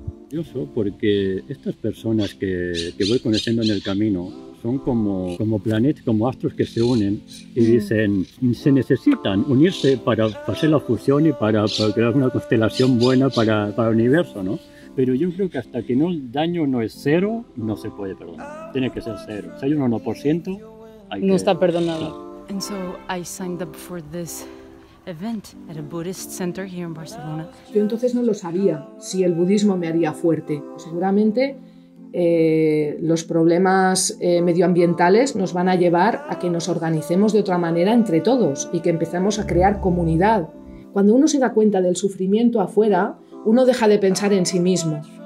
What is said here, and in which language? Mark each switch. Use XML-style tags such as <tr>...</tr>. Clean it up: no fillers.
<pt>Eu sou porque estas pessoas que vou conhecendo no caminho são como planetas, como astros que se unem e dizem, se necessitam unir-se para fazer a fusão e para criar uma constelação boa para o universo, não?</pt> <es>Pero yo creo que hasta que no, el daño no es cero, no se puede perdonar. Tiene que ser cero. Si hay un 1%, no está perdonado.</es> <en>And so I signed up for this event at a Buddhist center here in Barcelona.</en> <es>Yo entonces no lo sabía si el budismo me haría fuerte. Seguramente los problemas medioambientales nos van a llevar a que nos organicemos de otra manera entre todos y que empezamos a crear comunidad. Cuando uno se da cuenta del sufrimiento afuera, uno deja de pensar en sí mismo.</es>